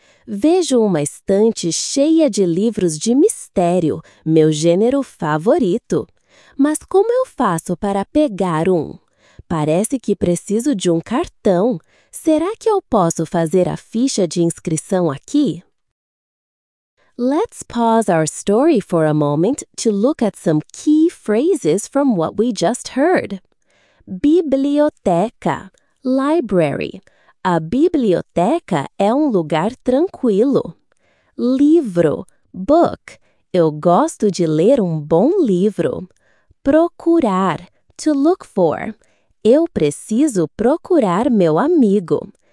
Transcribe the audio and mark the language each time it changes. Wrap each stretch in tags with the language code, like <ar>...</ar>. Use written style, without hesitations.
<pt>Vejo uma estante cheia de livros de mistério, meu gênero favorito. Mas como eu faço para pegar um? Parece que preciso de um cartão. Será que eu posso fazer a ficha de inscrição aqui?</pt> <en>Let's pause our story for a moment to look at some key phrases from what we just heard.</en> <pt>Biblioteca, library. A biblioteca é um lugar tranquilo. Livro, book. Eu gosto de ler um bom livro. Procurar,</pt> <en>to look for.</en> <pt>Eu preciso procurar meu amigo.</pt>